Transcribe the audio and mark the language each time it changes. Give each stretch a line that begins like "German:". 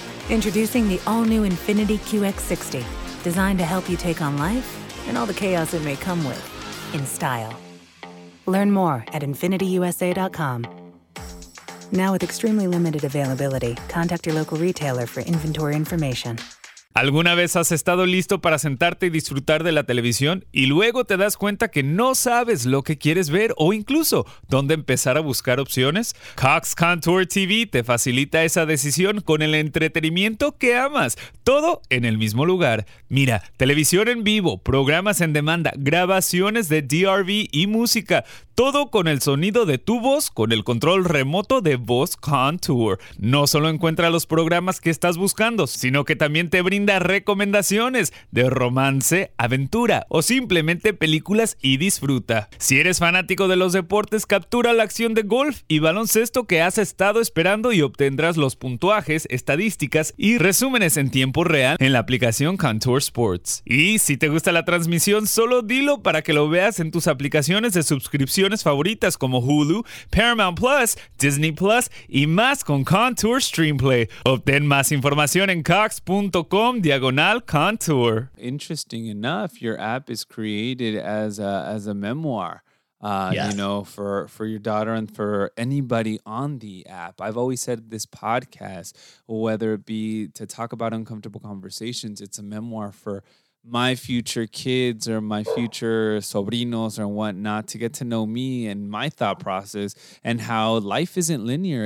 English: Introducing the all-new Infiniti QX60, designed to help you take on life and all the chaos it may come with in style. Learn more at InfinityUSA.com. Now with extremely limited availability, contact your local retailer for inventory information.
Spanish: ¿Alguna vez has estado listo para sentarte y disfrutar de la televisión y luego te das cuenta que no sabes lo que quieres ver o incluso dónde empezar a buscar opciones? Cox Contour TV te facilita esa decisión con el entretenimiento que amas, todo en el mismo lugar. Mira, televisión en vivo, programas en demanda, grabaciones de DRV y música. Todo con el sonido de tu voz, con el control remoto de Voz Contour. No solo encuentra los programas que estás buscando, sino que también te brinda recomendaciones de romance, aventura o simplemente películas y disfruta. Si eres fanático de los deportes, captura la acción de golf y baloncesto que has estado esperando y obtendrás los puntuajes, estadísticas y resúmenes en tiempo real en la aplicación Contour Sports. Y si te gusta la transmisión, solo dilo para que lo veas en tus aplicaciones de suscripción favoritas como Hulu, Paramount Plus, Disney Plus y más con Contour Streamplay. Obtén más información en cox.com/contour.
English: Interesting enough, your app is created as a memoir, yes. You know, for your daughter and for anybody on the app. I've always said this podcast, whether it be to talk about uncomfortable conversations, it's a memoir for my future kids or my future sobrinos or whatnot to get to know me and my thought process and how life isn't linear.